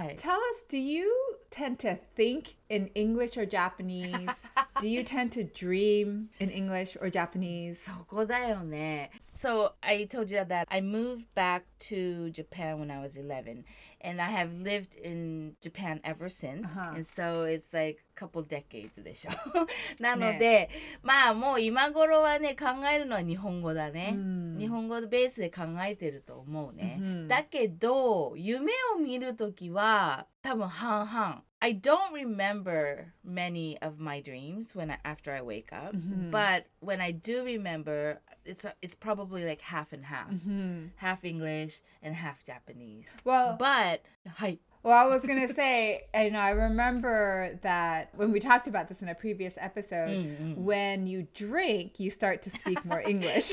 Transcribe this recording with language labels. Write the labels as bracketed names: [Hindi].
[English] Tell us, do you tend to think in English or Japanese? Do you tend to dream in English or Japanese? [Japanese] そこだよね。 [English] So I told you that I moved back to Japan when I was 11 and I have lived in Japan ever since. And so it's like a couple decades でしょ。 [Japanese] なので、ね、まあもう今頃はね、考えるのは日本語だね。日本語ベースで考えてると思うね。だけど、夢を見るときは多分半々。 [English] I don't remember many of my dreams after I wake up, but when I do remember, it's probably like half and half, half English and half Japanese. Well, but Well, I was going to say, you know, I remember that when we talked about this in a previous episode, when you drink, you start to speak more English.